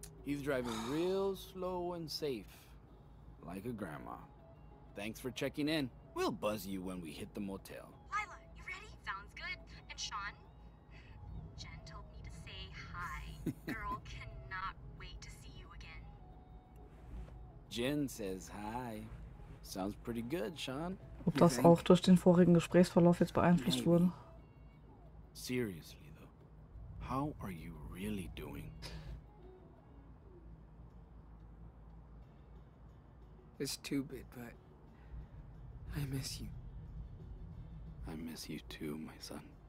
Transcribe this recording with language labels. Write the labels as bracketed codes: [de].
[en] He's driving real slow and safe. Like a grandma. Thanks for checking in. We'll buzz you when we hit the motel. Lila, you ready? Sounds good. And Sean, Jen told me to say hi. Girl cannot wait to see you again. Jen says hi. Sounds pretty good, Sean. [de] Ob das auch durch den vorigen Gesprächsverlauf jetzt beeinflusst wurde? [en] Seriously, though, how are you really doing? It's stupid, but I miss you. I miss you too, my son.